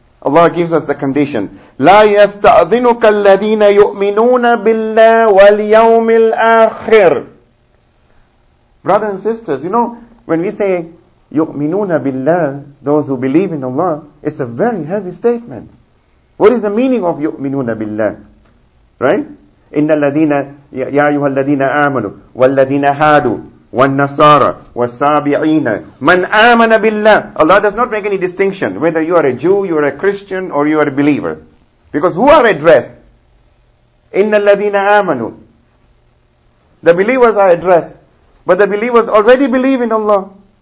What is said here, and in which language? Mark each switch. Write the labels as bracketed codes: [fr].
[en] Allah gives us the condition. [ar] لَا يَسْتَأْذِنُكَ الَّذِينَ يُؤْمِنُونَ بِاللَّهِ وَالْيَوْمِ الْآخِرِ. [en] Brothers and sisters, you know, when we say [ar] يُؤْمِنُونَ بِاللَّهِ, [en] those who believe in Allah, it's a very heavy statement. What is the meaning of [ar] يُؤْمِنُونَ بِاللَّهِ? [en] Right? [ar] إِنَّ الَّذِينَ يَا أَيُّهَا الَّذِينَ آمَنُوا وَالَّذِينَ هَادُوا والنصارى والسابعين من آمن بالله. [en] Allah does not make any distinction whether you are a Jew, you are a Christian, or you are a believer. Because who are addressed? [ar] إِنَّ الَّذِينَ آمَنُوا. [en] The believers are addressed. But the believers already believe in Allah.